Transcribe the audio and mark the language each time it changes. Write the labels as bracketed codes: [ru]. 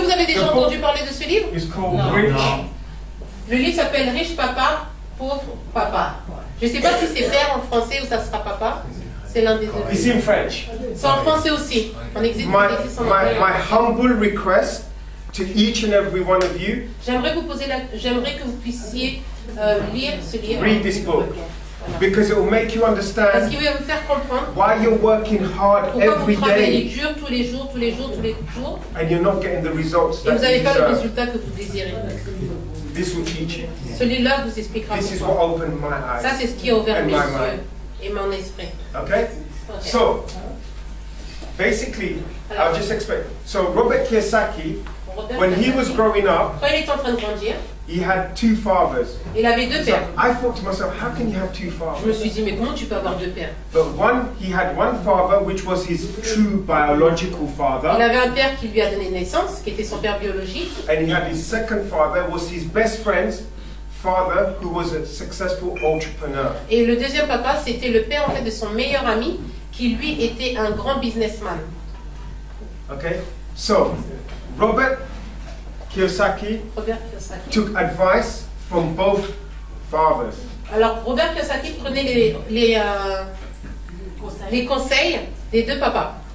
[fr] Que vous avez déjà entendu parler de ce livre? [en] It's called no. Rich. No. [fr] Le livre s'appelle Riche Papa, Pauvre Papa. Je ne sais pas si c'est père en français ou ça sera papa. C'est l'un des deux. [en] It's in French. [fr] C'est en français aussi. On existe, [en] my humble request to each and every one of you. [fr] J'aimerais que vous puissiez lire ce livre. [en] Read this book. Because it will make you understand. [fr] Parce qu'il va vous faire comprendre. [en] Why you're working hard every day. [fr] Pourquoi vous travaillez dur tous les jours. [en] And you're not getting the results that you deserve. [fr] Et vous n'avez pas le résultat que vous désirez. [en] This will teach you. [fr] Celui-là vous expliquera. [en] This is what opened my eyes. [fr] Ça c'est ce qui a ouvert mes yeux et mon esprit. [en] Okay. So, basically, I'll just explain. So Robert Kiyosaki, when he was growing up, [fr] quand il était en train de grandir, [en] he had two fathers. [fr] Il avait deux pères. [en] So I thought to myself, how can you have two fathers? [fr] Je me suis dit, mais comment tu peux avoir deux pères? [en] But one, he had one father, which was his true biological father. [fr] Il avait un père qui lui a donné naissance, qui était son père biologique. [en] And he had his second father, was his best friend's father, who was a successful entrepreneur. [fr] Et le deuxième papa, c'était le père en fait de son meilleur ami, qui lui était un grand businessman. [en] Okay, so Robert Kiyosaki took advice from both fathers. [fr] Alors Robert Kiyosaki prenait les conseils des deux papas.